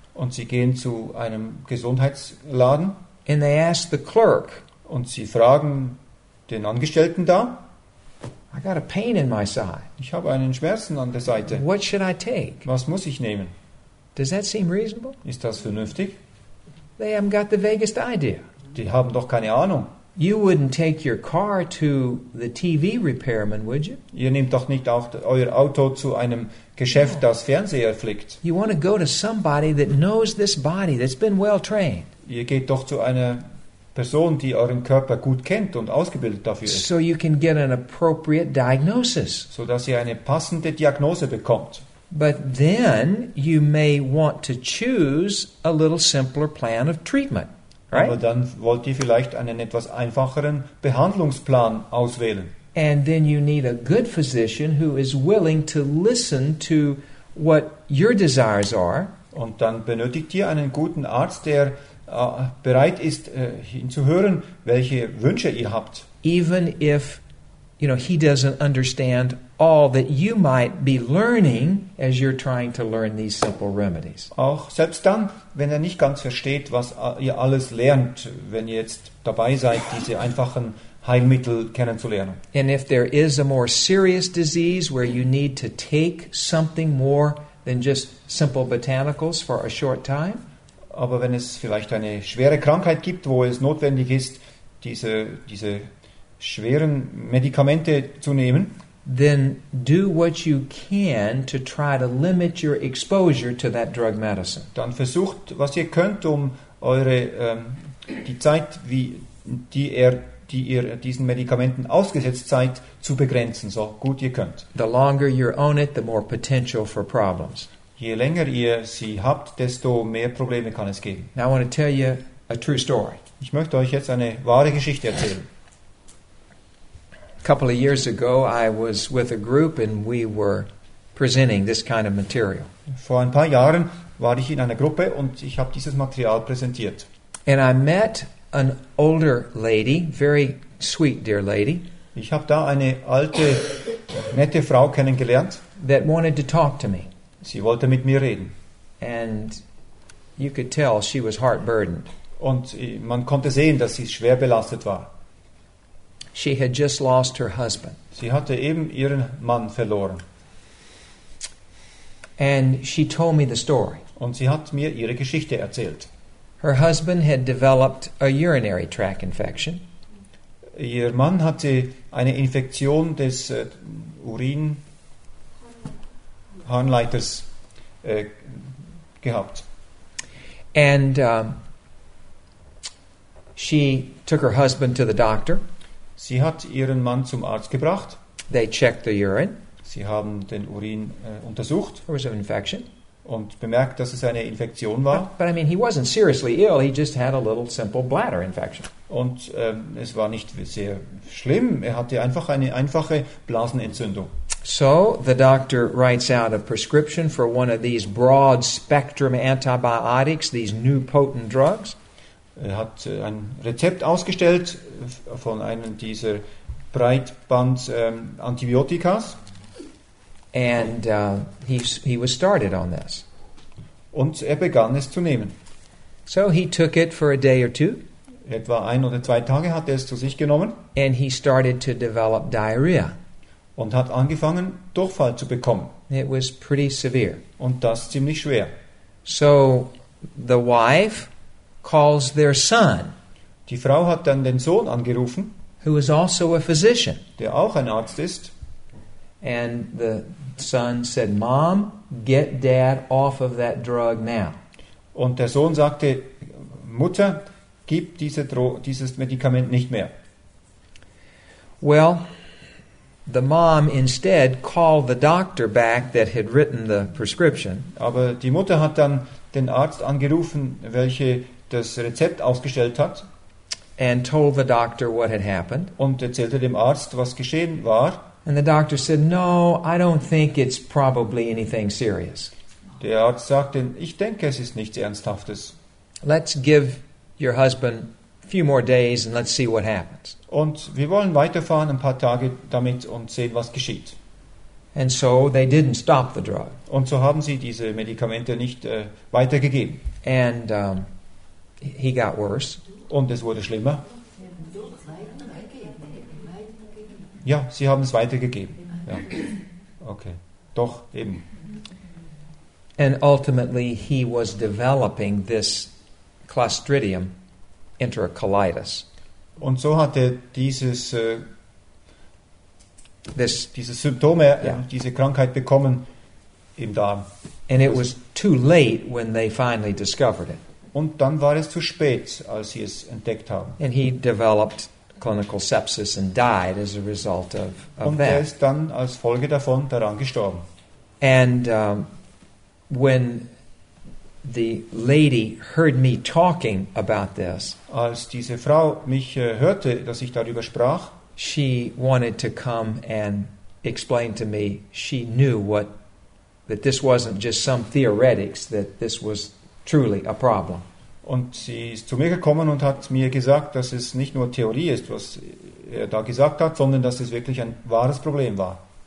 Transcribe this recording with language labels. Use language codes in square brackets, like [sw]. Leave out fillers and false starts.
[de] Und sie gehen zu einem Gesundheitsladen. [en] And they ask the clerk. [de] Und sie fragen den Angestellten da. [en] I got a pain in my side. [de] Ich habe einen Schmerzen an der Seite. [en] What should I take? [de] Was muss ich nehmen? [en] Does that seem reasonable? [de] Ist das vernünftig? [en] They haven't got the vaguest idea. [de] Die haben doch keine Ahnung. [en] You wouldn't take your car to the TV repairman, would you? [de] Ihr nehmt doch nicht auch euer Auto zu einem Geschäft, das Fernseher flickt. [en] You want to go to somebody that knows this body, that's been well trained. [de] Ihr geht doch zu einer Person, die euren Körper gut kennt und ausgebildet dafür ist. [en] So you can get an appropriate diagnosis. [de] So dass ihr eine passende Diagnose bekommt. [en] But then you may want to choose a little simpler plan of treatment, right? [de] Aber dann wollt ihr vielleicht einen etwas einfacheren Behandlungsplan auswählen. [en] And then you need a good physician who is willing to listen to what your desires are. [de] Und dann benötigt ihr einen guten Arzt, der bereit ist, hinzuhören, welche Wünsche ihr habt. [en] Even if you know, he doesn't understand all that you might be learning as you're trying to learn these simple remedies. [de] Auch selbst dann, wenn er nicht ganz versteht, was ihr alles lernt, wenn ihr jetzt dabei seid, diese einfachen Heilmittel kennenzulernen. [en] And if there is a more serious disease where you need to take something more than just simple botanicals for a short time. [de] Aber wenn es vielleicht eine schwere Krankheit gibt, wo es notwendig ist, diese schweren Medikamente zu nehmen, [en] then do what you can to try to limit your exposure to that drug medicine. [de] Dann versucht, was ihr könnt, um eure die Zeit, die ihr diesen Medikamenten ausgesetzt seid, zu begrenzen, so gut ihr könnt. [en] The longer you're on it, the more potential for problems. [de] Je länger ihr sie habt, desto mehr Probleme kann es geben. [en] Now I want to tell you a true story. [de] Ich möchte euch jetzt eine wahre Geschichte erzählen. [en] A couple of years ago, I was with a group and we were presenting this kind of material. [de] Vor ein paar Jahren war ich in einer Gruppe und ich habe dieses Material präsentiert. [en] And I met an older lady, very sweet, dear lady. [de] Ich habe da eine alte, nette Frau kennengelernt. [en] That wanted to talk to me. [de] Sie wollte mit mir reden. [en] And you could tell she was heart burdened. [de] Und man konnte sehen, dass sie schwer belastet war. [en] She had just lost her husband. [de] Sie hatte eben ihren Mann verloren. [en] And she told me the story. [de] Und sie hat mir ihre Geschichte erzählt. [en] Her husband had developed a urinary tract infection. [de] Ihr Mann hatte eine Infektion des Urin Harnleiters gehabt. [en] And she took her husband to the doctor. [de] Sie hat ihren Mann zum Arzt gebracht. [en] They checked the urine. [de] Sie haben den Urin untersucht. [en] There was an infection. [de] Und bemerkt, dass es eine Infektion war. [en] But I mean, he wasn't seriously ill. He just had a little simple bladder infection. [de] Und es war nicht sehr schlimm. Er hatte einfach eine einfache Blasenentzündung. [en] So the doctor writes out a prescription for one of these broad spectrum antibiotics, these new potent drugs. [de] Er hat ein Rezept ausgestellt von einem dieser Breitband Antibiotikas. [en] And he was started on this. [de] Und er begann es zu nehmen. [en] So he took it for a day or two. [de] Etwa ein oder zwei Tage hat er es zu sich genommen. [en] And he started to develop diarrhea. [de] Und hat angefangen, Durchfall zu bekommen. [en] It was pretty severe. [de] Und das ziemlich schwer. [en] So the wife calls their son. [de] Die Frau hat dann den Sohn angerufen, [en] who is also a physician. [de] Der auch ein Arzt ist. [en] And the son said, "Mom, get Dad off of that drug now." [de] Und der Sohn sagte, Mutter, gib dieses Medikament nicht mehr. [en] Well, the mom instead called the doctor back that had written the prescription. [de] Aber die Mutter hat dann den Arzt angerufen, welche das Rezept ausgestellt hat. [en] And told the doctor what had happened. [de] Und erzählte dem Arzt, was geschehen war. [en] And the doctor said, "No, I don't think it's probably anything serious." [de] Der Arzt sagte, ich denke, es ist nichts Ernsthaftes. [en] Let's give your husband a few more days and let's see what happens. [de] Und wir wollen weiterfahren ein paar Tage damit und sehen, was geschieht. [en] And so they didn't stop the drug. [de] Und so haben sie diese Medikamente nicht weitergegeben. [en] And he got worse. [de] Und es wurde schlimmer. Ja, sie haben es weitergegeben. Ja. Okay. Doch, eben. [en] And ultimately he was developing this Clostridium enterocolitis. [de] Und so hatte dieses diese Symptome, diese Krankheit bekommen im Darm. [en] And it was too late when they finally discovered it. [de] Und dann war es zu spät, als sie es entdeckt haben. [en] And he developed clinical sepsis and died as a result of that. [de] Und er ist dann als Folge davon daran gestorben. [en] And when the lady heard me talking about this, [de] als diese Frau mich hörte, dass ich darüber sprach, [en] she wanted to come and explain to me. She knew that this wasn't just some theoretics, that this was truly a problem. [de] Und sie ist zu mir gekommen und hat mir gesagt, dass es nicht nur Theorie ist, was er da gesagt hat, sondern dass es wirklich ein wahres Problem war.